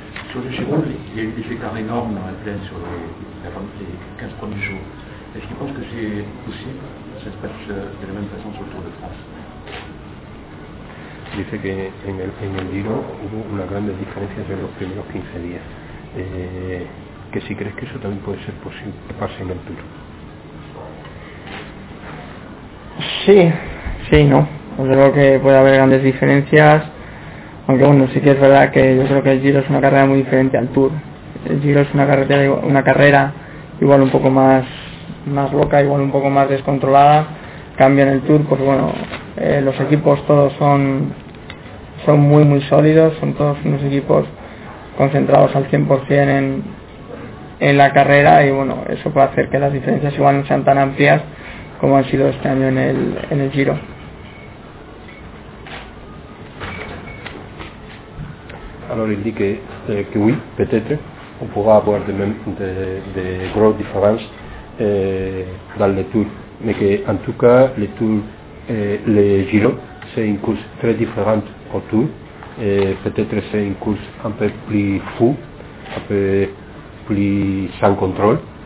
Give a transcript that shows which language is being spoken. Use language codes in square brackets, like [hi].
[fr] Sur le Giro, il y a eu des écarts énormes dans la plaine sur les 15 premiers jours. Est-ce qu'il pense que c'est possible que ça se passe de la même façon sur le Tour de France? Il fait qu'en Giro, il y a une grande différence entre les premiers 15 jours. [es] Que si crees que eso también puede ser posible que pase en el Tour. Sí, no. Creo que puede haber grandes diferencias, aunque bueno, sí que es verdad que yo creo que el Giro es una carrera muy diferente al Tour. El Giro es una carrera igual un poco más loca, igual un poco más descontrolada. Cambio en el Tour, pues bueno, los equipos todos son muy muy sólidos, son todos unos equipos concentrados al 100% en la carrera, y bueno, eso puede hacer que las diferencias igual no sean tan amplias como han sido este año en el Giro. [fr] Alors il dit que oui, peut-être, on pourra avoir de grosses différences dans le Tour, mais qu'en tout cas, le Tour, le Giro, c'est une course très différente au Tour, peut-être c'est une course un peu plus fou, un peu plus sans contrôle,